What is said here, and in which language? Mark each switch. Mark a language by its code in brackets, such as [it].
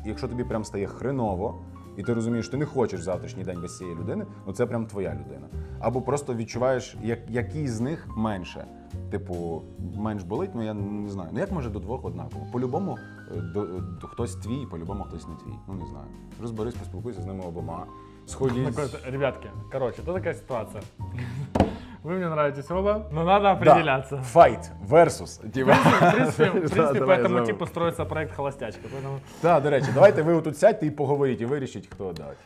[uk] І якщо тобі прям стає хреново, і ти розумієш, що ти не хочеш завтрашній день без цієї людини, ну це прям твоя людина. Або просто відчуваєш, який з них менше. Типу, менш болить, ну я не знаю. Ну як може до двох однаково? По-любому хтось твій, по-любому хтось не твій. Ну не знаю. Розберись, поспілкуйся з ними обома. Сходіть. Ребятки, коротше, то така ситуація. [ru] Ви мені нравитесь оба, но надо определяться. Да. [en] Fight versus. [ru] Типа. [uk] В принципі, [ru] да, поэтому типу строится проект холостячка. Поэтому... [uk] Да, до речі, давайте ви отут сядьте і поговорите, вирішіть, хто дати.